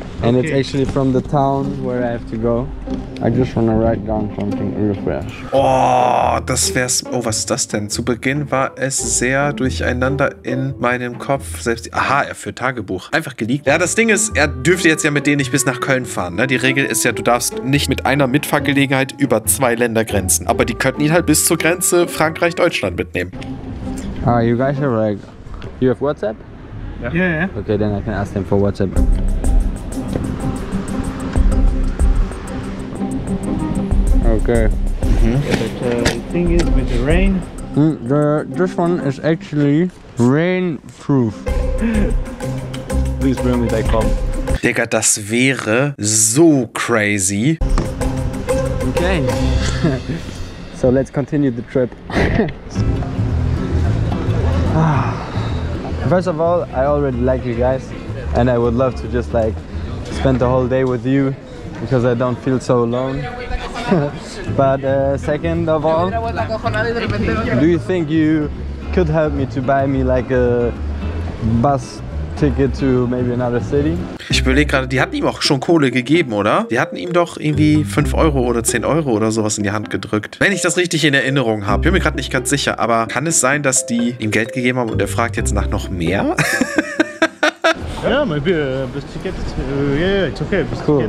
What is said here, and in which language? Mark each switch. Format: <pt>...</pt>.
<en>And it's actually from the town where I have to go. I just want to write down something real fresh.</en> <de>Oh, was ist das denn? Zu Beginn war es sehr durcheinander in meinem Kopf. Selbst, aha, er führt Tagebuch. Einfach geleakt. Ja, das Ding ist, er dürfte jetzt ja mit denen nicht bis nach Köln fahren. Ne? Die Regel ist ja, du darfst nicht mit einer Mitfahrgelegenheit über zwei Ländergrenzen. Aber die könnten ihn halt bis zur Grenze Frankreich-Deutschland mitnehmen.</de> <en>Ah, you guys are like, you have WhatsApp? Yeah. Okay, then I can ask them for WhatsApp. Okay. Mm-hmm. Yeah, but the thing is with the rain. This one is actually rainproof. Please bring me back home.</en> <de>Digga, das wäre so crazy.</de> <en>Okay. So let's continue the trip. First of all, I already like you guys and I would love to just like spend the whole day with you because I don't feel so alone. But second of all, do you think you could help me to buy me like a bus ticket to maybe another city?</en> <de>Ich überlege gerade, die hatten ihm auch schon Kohle gegeben, oder? Die hatten ihm doch irgendwie 5 Euro oder 10 Euro oder sowas in die Hand gedrückt. Wenn ich das richtig in Erinnerung habe. Ich bin mir gerade nicht ganz sicher, aber kann es sein, dass die ihm Geld gegeben haben und er fragt jetzt nach noch mehr?</de> <en>Ja, maybe a bus ticket. Yeah, it's okay. Bus ticket.</en>